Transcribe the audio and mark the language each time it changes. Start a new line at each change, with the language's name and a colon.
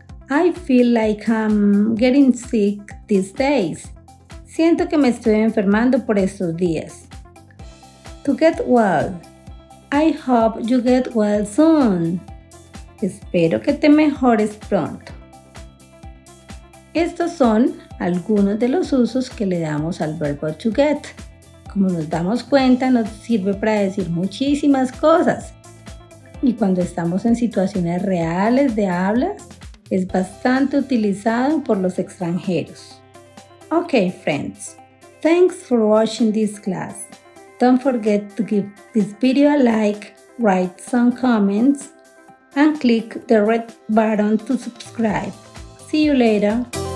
English: I feel like I'm getting sick these days.
Spanish: Siento que me estoy enfermando por estos días.
English: To get well. I hope you get well soon.
Spanish: Espero que te mejores pronto. Estos son algunos de los usos que le damos al verbo to get. Como nos damos cuenta, nos sirve para decir muchísimas cosas. Y cuando estamos en situaciones reales de habla, es bastante utilizado por los extranjeros.
English: Ok, friends. Thanks for watching this class. Don't forget to give this video a like, write some comments, and click the red button to subscribe. See you later.